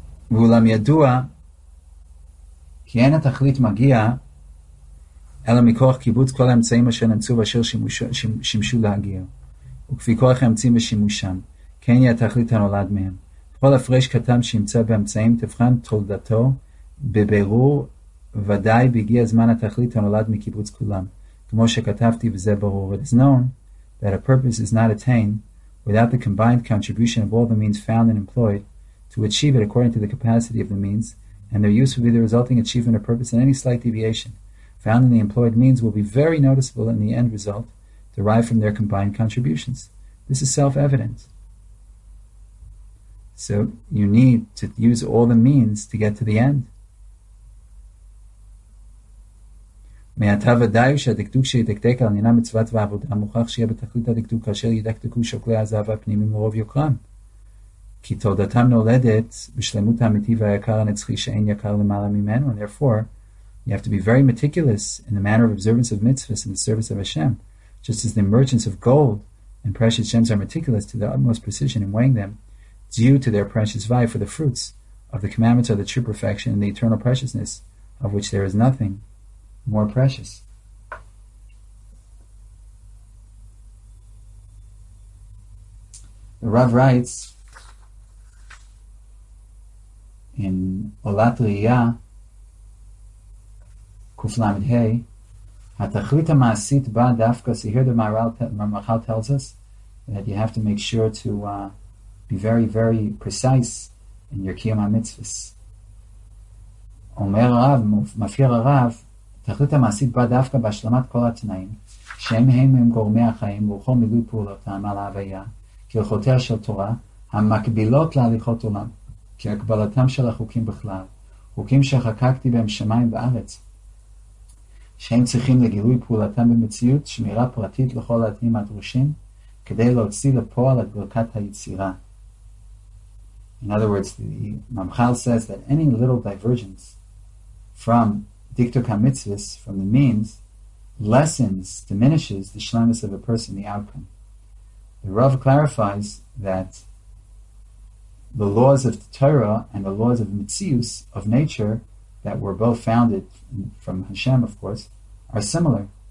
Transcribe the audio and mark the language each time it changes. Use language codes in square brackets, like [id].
[he] ואולם ידוע כי אין התכלית מגיע אלא מכוח קיבוץ כל האמצעים אשר נמצאו ואשר שימשו להגיע, וכפי כוח האמצעים ושימושם, כן היא התכלית הנולד מהם. כל הפרש קטן שימצא באמצעים תבחן תולדתו בבירור ודאי בהגיע זמן התכלית הנולד מקיבוץ כולם, כמו שכתבתי וזה ברור. [en] It is known that a purpose is not attained without the combined contribution of all the means found and employed to achieve it according to the capacity of the means, and their use will be the resulting achievement of purpose, and any slight deviation found in the employed means will be very noticeable in the end result derived from their combined contributions. This is self-evident. So you need to use all the means to get to the end. [he] מעתה ודאי שהדקדוק שידקדק על עניינה מצוות ועבודה מוכרח שיהיה בתכלית הדקדוק כאשר ידקדקו שוקלי הזהב הפנימים לרוב יוקרם. כי תולדתם נולדת בשלמות האמיתי והיקר הנצחי שאין יקר למעלה ממנו, [en] and therefore, you have to be very meticulous in the manner of observance of mitzvahs in the service of Hashem, just as the merchants of gold and precious gems are meticulous to the utmost precision in weighing them, due to their precious value, for the fruits of the commandments are the true perfection and the eternal preciousness, of which there is nothing more precious. The Rav writes in Olat Riya Kuf Lamed He, [he] HaTachlit HaMaasit Ba Dafka. [en] So here the Maharal tells us that you have to make sure to be very, very precise in your Kiyom HaMitzvahs. [he] Omer Rav, Mafir Rav, תכלית המעשית בא דווקא בהשלמת כל התנאים, שהם הם הם גורמי החיים ורוחו מילוי פעולותם על ההוויה, כרחותיה של תורה, המקבילות להליכות עולם, כהקבלתם של החוקים בכלל, חוקים שחקקתי בהם שמיים בארץ, שהם צריכים לגילוי פעולתם במציאות, שמירה פרטית לכל התנאים הדרושים, כדי להוציא לפועל את ברכת היצירה. [en] In other words, the Ramchal says that any little divergence from Diktuk HaMitzvahs, from the means, lessens, diminishes the shlemus of a person, the outcome. The Rav clarifies that the laws of the Torah and the laws of Mitzius, of nature, that were both founded from Hashem, of course, are similar.